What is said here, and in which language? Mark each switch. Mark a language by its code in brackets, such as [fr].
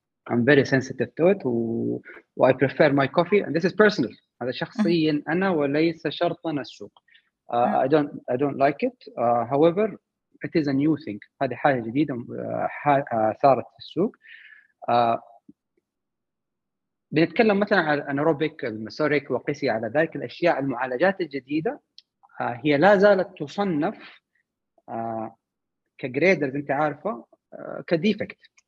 [en] I'm very sensitive to it and I prefer my coffee and this is personal. [ar] هذا شخصيا أنا وليس شرطا السوق. [en] I don't like it. However, it is a new thing. [ar] هذه حاجة جديدة صارت في السوق. بنتكلم مثلا على الأنيروبيك، الميثوريك، وقسي على ذلك الأشياء. المعالجات الجديدة هي لا زالت تصنف كجريدر، انت عارفه، كديفكت.